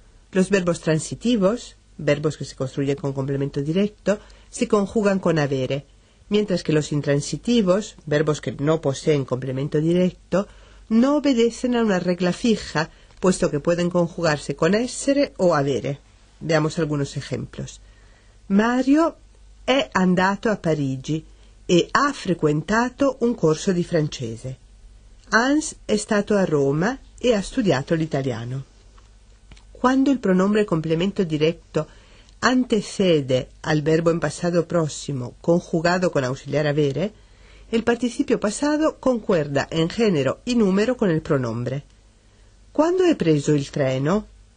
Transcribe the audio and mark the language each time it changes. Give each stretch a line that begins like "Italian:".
Spanish: Los verbos transitivos, verbos que se construyen con complemento directo, se conjugan con avere, mientras que los intransitivos, verbos que no poseen complemento directo, no obedecen a una regla fija, puesto que pueden conjugarse con essere o avere. Veamos algunos ejemplos.
Italian: Mario è andato a Parigi e ha frequentato un corso di francese. Hans è stato a Roma e ha studiato l'italiano.
Spanish: Cuando el pronombre complemento directo antecede al verbo en pasado próximo conjugado con auxiliar avere, el participio pasado concuerda en género y número con el pronombre. ¿Cuándo he preso el treno?